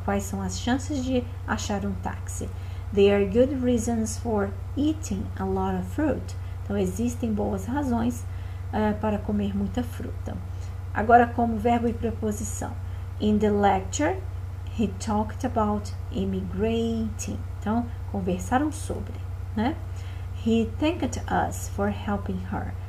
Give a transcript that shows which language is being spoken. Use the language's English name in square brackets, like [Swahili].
[Portuguese] Quais são as chances de achar um táxi? [English] There are good reasons for eating a lot of fruit. [Portuguese] Então, existem boas razões para comer muita fruta. Agora, como verbo e preposição. [English] In the lecture, he talked about immigrating. [Portuguese] Então, conversaram sobre, né? [English] He thanked us for helping her.